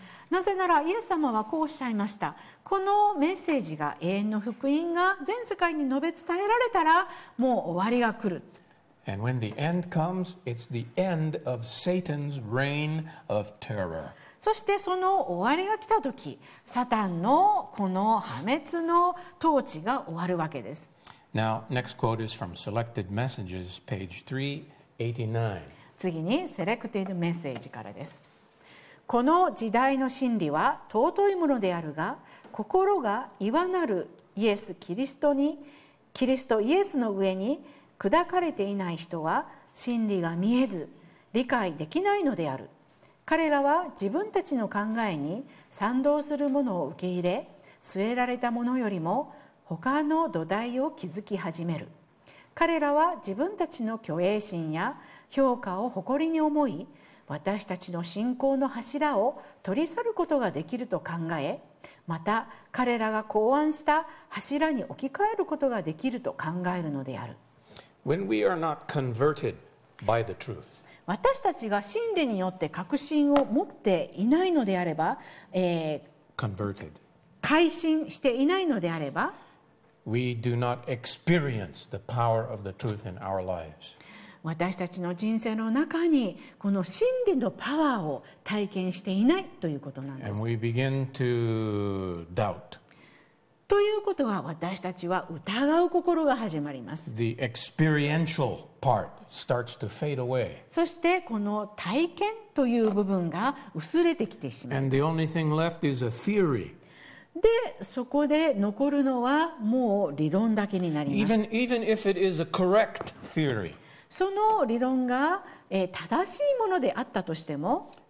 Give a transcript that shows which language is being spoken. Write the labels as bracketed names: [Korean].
[Japanese] なぜならイエス様はこうおっしゃいました。このメッセージが、永遠の福音が全世界に述べ伝えられたら、もう終わりが来る。 [English] And when the end comes, it's the end of Satan's reign of terror. [Japanese] そしてその終わりが来た時、サタンのこの破滅の統治が終わるわけです。 [English] Now, next quote is from Selected Messages, page 389. [Japanese] 次にセレクティブメッセージからです。この時代の真理は尊いものであるが、心が岩なるイエス・キリストに、キリストイエスの上に砕かれていない人は真理が見えず理解できないのである。彼らは自分たちの考えに賛同するものを受け入れ、据えられたものよりも他の土台を築き始める。彼らは自分たちの虚栄心や評価を誇りに思い、私たちの信仰の柱を取り去ることができると考え、また彼らが考案した柱に置き換えることができると考えるのである。 [English] When we are not converted by the truth, [Japanese] 私たちが真理によって確信を持っていないのであれば、 [English] Converted. [Japanese] 改心していないのであれば、 [English] We do not experience the power of the truth in our lives. [Japanese] 私たちの人生の中にこの真理のパワーを体験していないということなんです。 [English] And we begin to doubt. [Japanese] ということは私たちは疑う心が始まります。 [English] The experiential part. Starts to fade away. [Japanese] そしてこの体験という部分が薄れてきてしまう。 [English] And the only thing left is a theory. [Japanese] で、そこで残るのはもう理論だけになります。 [English] Even if it is a correct theory. [Japanese] その理論が正しいものであったとしても、